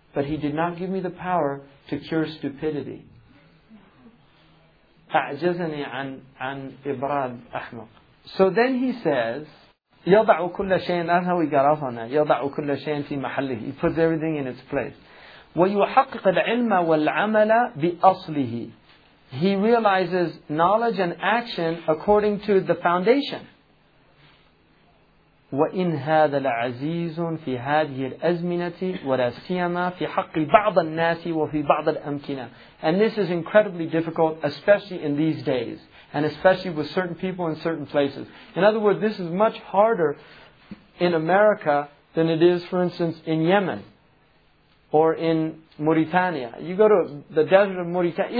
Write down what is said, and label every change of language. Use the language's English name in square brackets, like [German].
[English] But He did not give me the power to cure stupidity. [Arabic] أعجزني عن إبراد أحمق. [English] So then he says, [Arabic] يضع كل شيء, [English] that's how we got off on that. [Arabic] يضع كل شيء في محله. [English] He puts everything in its place. [Arabic] ويحقق العلم والعمل بأصله. [English] He realizes knowledge and action according to the foundation. [Arabic] وإن هذا العزيز في هذه الأزمنة ولا سيما في حق بعض الناس وفي بعض الأمكنة. [English] And this is incredibly difficult, especially in these days, and especially with certain people in certain places. In other words, this is much harder in America than it is, for instance, in Yemen. Or in Mauritania. You go to the desert of Mauritania.